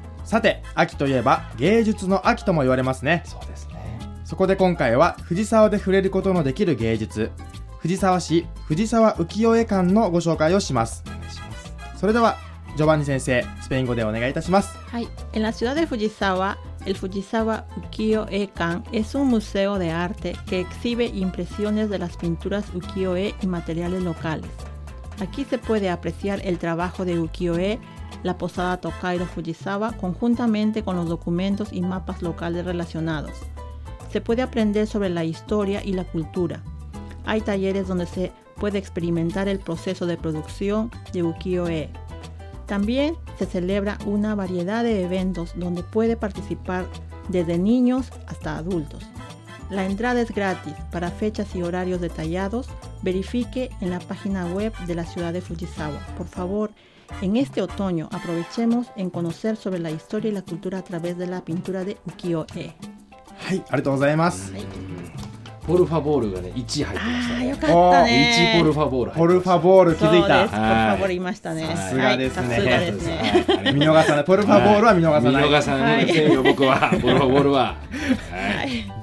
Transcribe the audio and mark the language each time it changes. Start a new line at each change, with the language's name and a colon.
Japanese: さて、秋といえば芸術の秋とも言われますね。そうですね。そこで今回は藤沢で触れることのできる芸術、藤沢市藤沢浮世絵館のご紹介をします。お願いします。それではジョバンニ先生、スペイン語でお願いいたします。はい。
Spanish: En la ciudad de Fujisawa, el Fujisawa Ukiyo-e Kan es un museo de arte que exhibe impresiones de las pinturas ukiyo-e y materiales locales. Aquí se puede apreciar el trabajo de ukiyo-e, la posada Tokaido Fujisawa, conjuntamente con los documentos y mapas locales relacionados. Se puede aprender sobre la historia y la cultura. Hay talleres donde se puede experimentar el proceso de producción de ukiyo-e. También se celebra una variedad de eventos donde puede participar desde niños hasta adultos. La entrada es gratis. Para fechas y horarios detallados, verifique en la página web de la ciudad de Fujisawa. Por favor, en este otoño aprovechemos en conocer sobre la historia y la cultura a través de la pintura de ukiyo-e.
Japanese: はい、ありがとうございます。ポルファボールがね、1入ってました、ね、あ、よかったね。 1ポルファボール入ポルファボール気づいた。そうです、ポルファボールいましたね。さすがですね、はい、さすがですね。見逃さない、ポルファボールは見逃さない、見逃さないですよ、僕はポルファボールは、はい、